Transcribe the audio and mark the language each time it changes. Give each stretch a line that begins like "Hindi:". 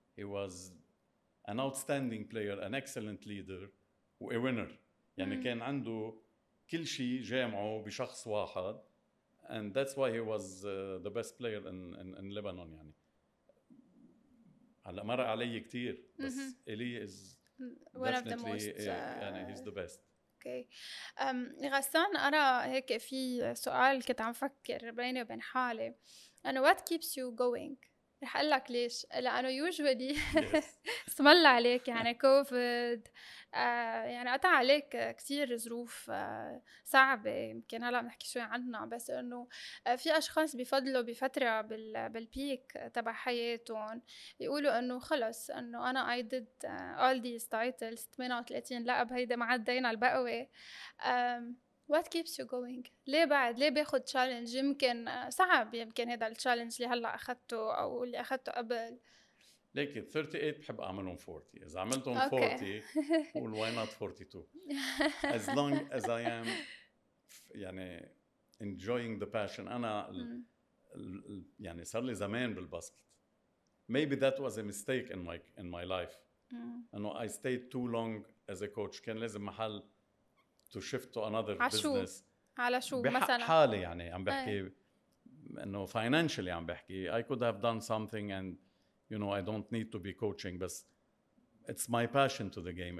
English: He was an outstanding player, an excellent leader, a winner.
Arabic: يعني كان عنده كل شيء جامعه بشخص واحد.
English: And that's why he was the best player in Lebanon.
Arabic: يعني هلأ مر علي كتير، بس إلي
English: is one of the most. يعني he's the best. Okay.
Arabic: غسان، أنا هيك في سؤال كنت عم فكر بيني وبين حالي، أنا
English: what keeps you going؟
Arabic: رح أقول لك ليش. لأنه usually اسمل عليك يعني كوفيد، يعني قطع عليك كثير ظروف صعبة. يمكن هلا بنحكي شوي عنها، بس انه في اشخاص بفضلوا بفترة بالبيك تبع حياتهم يقولوا انه خلص، انه انا
English: I did all these titles
Arabic: 38 لقب، هيدا ما عدينا البقوة.
English: What keeps you going؟
Arabic: ليه بعد ليه باخد challenge؟ يمكن صعب، يمكن هذا التشالنج اللي هلا اخذته او اللي اخذته قبل. لكن 38 بحب اعملهم 40. اذا عملتهم okay.
English: 40 قول why not 42 as long as I am يعني enjoying the passion.
Arabic: انا يعني صار لي زمان بالباسكت.
English: maybe that was a mistake in my life. انه I stayed too long as a coach.
Arabic: كان لازم محل
English: to shift to another business.
Arabic: على شو مثلا حالي يعني عم بحكي انه
English: financially
Arabic: عم بحكي
English: I could have done something and you know I don't need to be coaching, but it's my passion to the game.